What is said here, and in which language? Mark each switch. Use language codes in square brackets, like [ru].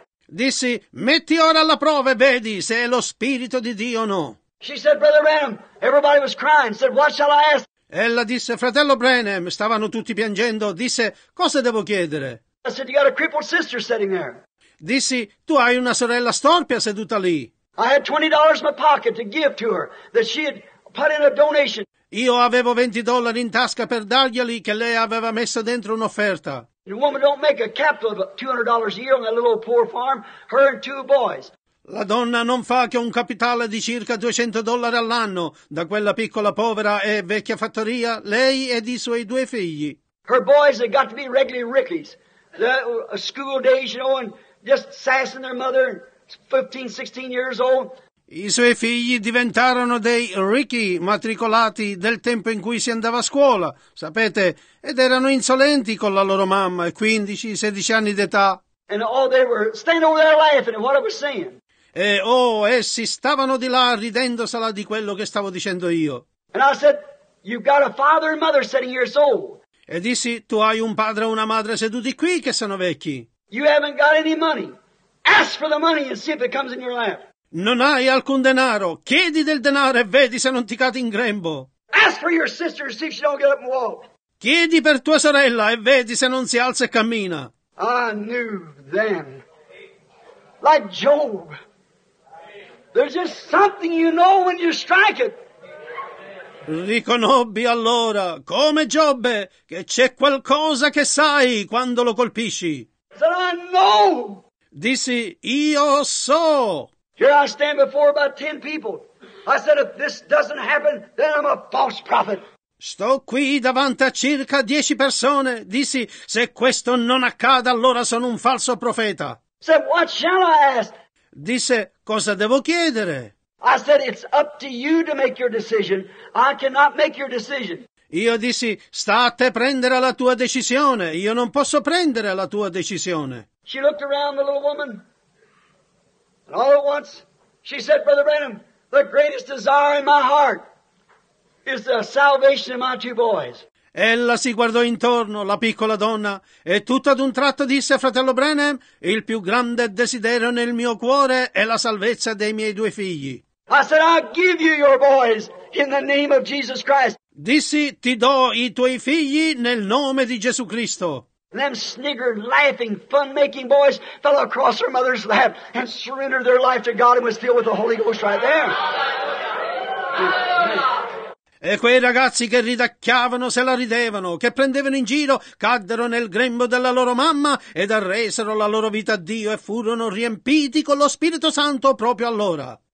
[it] Dissi, metti ora alla prova e vedi se è lo Spirito di Dio o no. [en] She said, Brother Branham, everybody was crying, said, what shall I ask? [it] Ella disse, fratello Branham, stavano tutti piangendo, disse, cosa devo chiedere? [en] I said, you got a crippled sister sitting there. [it] Dissi, tu hai una sorella storpia seduta lì. [en] I had $20 in my pocket to give to her, that she had put in a donation. [it] Io avevo $20 in tasca per darglieli che lei aveva messo dentro un'offerta. [en] The woman don't make a capital of $200 a year on that little old poor farm, her and two boys. [it] La donna non fa che un capitale di circa $200 all'anno da quella piccola povera e vecchia fattoria, lei ed i suoi due figli. [en] Her boys have got to be regular rickies. The school days, you know, and just sassing their mother, 15, 16 years old. [it] I suoi figli diventarono dei ricchi matricolati del tempo in cui si andava a scuola, sapete, ed erano insolenti con la loro mamma, 15, 16 anni d'età. [en] And all they were standing over there laughing at what I was saying. [it] E oh, essi stavano di là ridendosela di quello che stavo dicendo io. [en] And I said, you've got a father and mother sitting here so old. [it] E dissi, tu hai un padre e una madre seduti qui che sono vecchi. [en] You haven't got any money. Ask for the money and see if it comes in your lap. [it] Non hai alcun denaro. Chiedi del denaro e vedi se non ti cade in grembo. [en] Ask for your sister and see if she don't get up and walk. [it] Chiedi per tua sorella e vedi se non si alza e cammina. [en] I knew then, like Job, there's just something you know when you strike it. [it] Riconobbi allora, come Giobbe, che c'è qualcosa che sai quando lo colpisci. [en] Said, I know. [it] Dissi, io so. [en] Here I stand before about 10 people. I said, if this doesn't happen, then I'm a false prophet. [it] Sto qui davanti a circa 10 persone. Dissi, se questo non accade, allora sono un falso profeta. [en] Said, what shall I ask? [it] Disse, cosa devo chiedere? [en] I said, it's up to you to make your decision. I cannot make your decision. [it] Io dissi, sta a te prendere la tua decisione. Io non posso prendere la tua decisione. [en] She looked around the little woman. And all at once, she said, Brother Branham, the greatest desire in my heart is the salvation of my two boys. [it] Ella si guardò intorno, la piccola donna, e tutto ad un tratto disse a fratello Branham, il più grande desiderio nel mio cuore è la salvezza dei miei due figli. [en] I said, I'll give you your boys in the name of Jesus Christ. [it] Dissi, ti do i tuoi figli nel nome di Gesù Cristo. [en] Them sniggered, laughing, fun-making boys fell across her mother's lap and surrendered their life to God and was filled with the Holy Ghost right there. [it] E quei ragazzi che ridacchiavano se la ridevano, che prendevano in giro, caddero nel grembo della loro mamma ed arresero la loro vita a Dio e furono riempiti con lo Spirito Santo proprio allora.